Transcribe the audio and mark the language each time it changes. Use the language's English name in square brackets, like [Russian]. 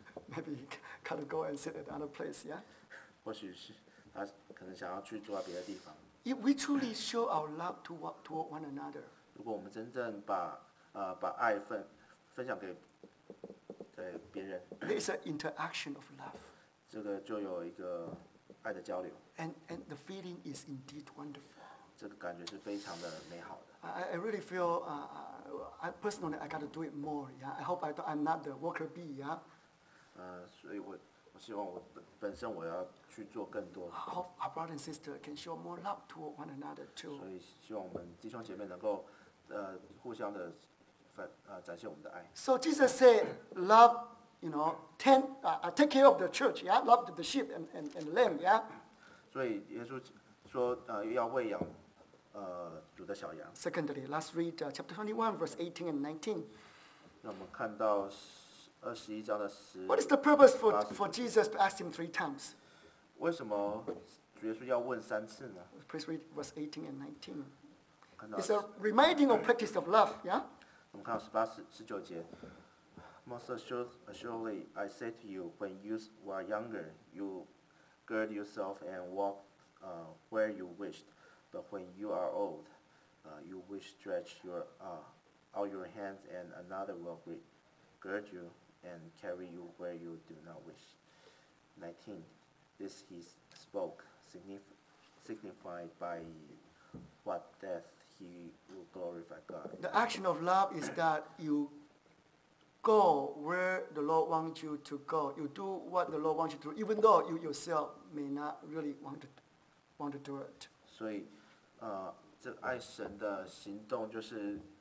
[English] Maybe got to go and sit at another place, yeah. [Chinese] 或许是他可能想要去坐在别的地方。 [English] If we truly show our love toward one another, [Chinese] 如果我们真正把爱分享给别人 [English] ，there is an interaction of love. [Chinese] 这个就有一个。爱的交流 [English] and the feeling is indeed wonderful. [Chinese] 这个感觉是非常的美好的。 [English] I really feel I personally I got to do it more. Yeah, I hope I'm not the worker B. Yeah. [Chinese] 所以我希望我本身我要去做更多。 [English] I hope our brother and sister can show more love toward one another too. [Chinese] 所以希望我们弟兄姐妹能够互相的展现我们的爱。 [English] So Jesus said, love. You know, take care of the church, yeah. Love the sheep and lamb, yeah. [Chinese] 所以耶稣说，要喂养，主的小羊。 [English] Secondly, let's read chapter 21, verse 18 and 19. [Chinese] 那我们看到21章的十。 [English] What is the purpose for Jesus to ask him three times? [Chinese] 为什么主耶稣要问三次呢？ [English] Please read verse 18 and 19. It's a reminding of practice of love, yeah. [Chinese] 我们看到18-19节。 [English] Most assuredly, I say to you, when you were younger, you gird yourself and walk where you wished. But when you are old, you will stretch out your hands, and another will gird you and carry you where you do not wish. 19. This he spoke, signified by what death he will glorify God. The action of love is that you... Go where the Lord wants you to go. You do what the Lord wants you to do, even though you yourself may not really want to do it. [Chinese] 所以，这爱神的行动就是